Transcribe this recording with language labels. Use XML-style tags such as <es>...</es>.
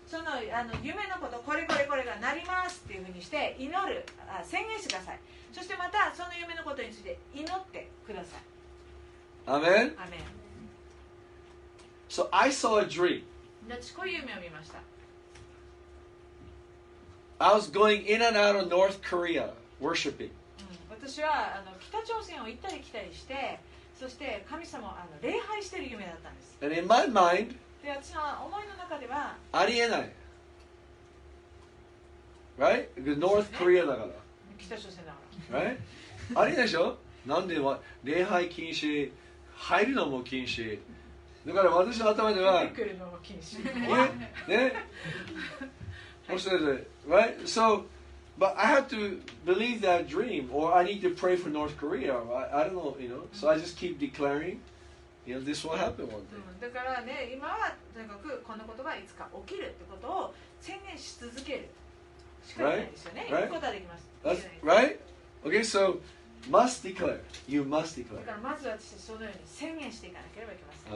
<ja>その、あの夢のことこれこれこれがなりますっていうふうにして祈る、宣言してください。そしてまたその夢のことについて祈ってください。アメン。アメン。</ja> <en>So I saw a dream.</en> <ja>私こういう夢を見ました。</ja> <en>I was going in and out of North Korea worshiping.、</en> <ja>うん、私はあの北朝鮮を行ったり来たりして、そして神様をあの礼拝している夢だったんです。</ja> <en>And in my mind,</en> <ja>で私の思いの中では、ありえない。</ja> <en>Right? Because North Korea</en> <ja>だから。北朝鮮だから。 Right? ありえないでしょ。なんで礼拝禁止、入るのも禁止。だから私の頭では、来るのも禁止。ね、もしかして、right?</ja> <en>So, but I have to believe that dream, or I need to pray for North Korea. I don't know, you know. So I just keep declaring, you know, this will happen one day.</en> <ja>だからね、今はとにかくこのことがいつか起きるってことを宣言し続けるしかないですよね。</ja> <en>Right?</en> <ja>言うことはできます。</ja> <en>That's right. Okay, so. Must declare. You must declare.</en> <ja>だからまず私そのように宣言していかなければいけません。</ja>